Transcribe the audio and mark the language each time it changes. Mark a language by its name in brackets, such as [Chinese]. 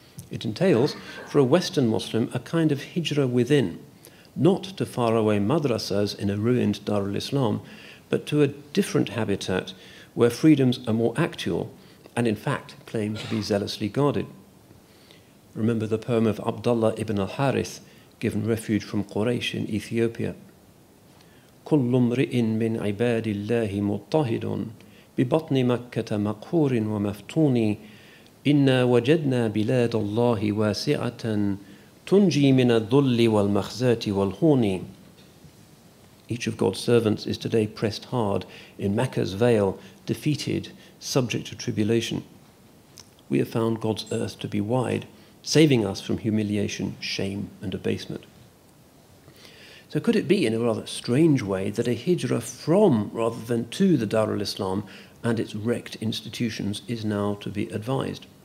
[English] It entails, for a Western Muslim, a kind of hijra within, not to faraway madrasas in a ruined Darul Islam, but to a different habitat where freedoms are more actual and, in fact, claim to be zealously guarded. Remember the poem of Abdullah ibn al-Harith, given refuge from Quraysh in Ethiopia. [Arabic] كل امرئ من عباد الله مطهد ببطن مكة مقهور ومفتون إنا وجدنا بلاد الله واسعة تنجي من الذل والمخزات والهون. [English] Each of God's servants is today pressed hard in Mecca's veil, defeated, subject to tribulation. We have found God's earth to be wide, saving us from humiliation, shame, and abasement. So could it be, in a rather strange way, that a hijra from rather than to the Darul Islam and its wrecked institutions is now to be advised?